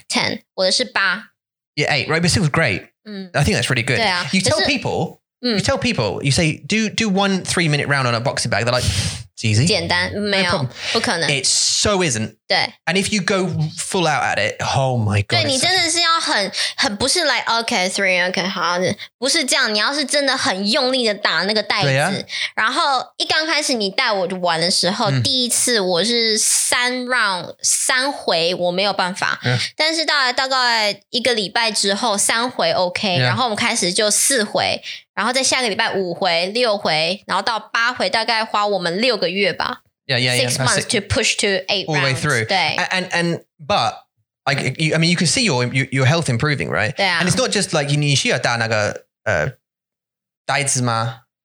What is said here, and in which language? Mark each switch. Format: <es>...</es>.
<zh>10, 我的是八。</zh> <en>Yeah, eight, right? But it was great. I think that's really good. You tell people, you say, do 1 3-minute round on a boxing bag. They're like, it's easy.</en> <zh>简单，没有，不可能。</zh> <en>It so isn't.</en> <zh>对。</zh> <en>And if you go full out at it, oh my God.</en> <zh>对，你真的是要很不是</zh> <en>like, okay, three, okay,</en> <zh>好，不是这样，你要是真的很用力的打那个袋子，然后一刚开始你带我玩的时候, 第一次我是三回我没有办法, 但是大概一个礼拜之后三回 OK, 然后我们开始就四回, 然后在下个礼拜五回六回，然后到八回，大概花我们六个月吧。</zh> <en>6 months to push to 8 rounds. All the way through. But like, you can see your health improving, right? And it's not just like you need to</en> <zh>带那个袋子吗?</zh>